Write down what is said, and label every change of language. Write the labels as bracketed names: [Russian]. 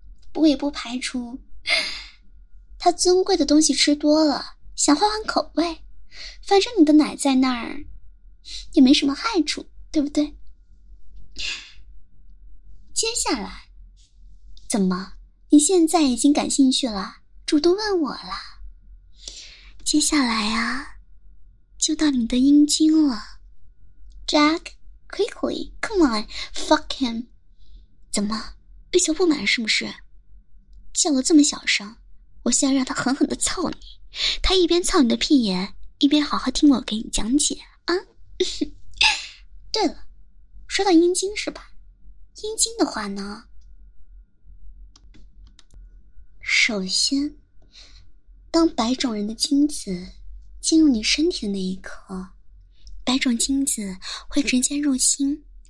[Chinese] 不过也不排除他尊贵的东西吃多了想换换口味，反正你的奶在那儿也没什么害处，对不对？接下来怎么，你现在已经感兴趣了，主动问我了？接下来啊，就到你的阴茎了。 [English] Jack, quickly, come on, fuck him. [Chinese] 怎么欲求不满是不是？叫了这么小声，我现在让他狠狠地操你，他一边操你的屁眼，一边好好听我给你讲解啊。对了，说到阴茎是吧，阴茎的话呢，首先当白种人的精子进入你身体的那一刻，白种精子会直接入侵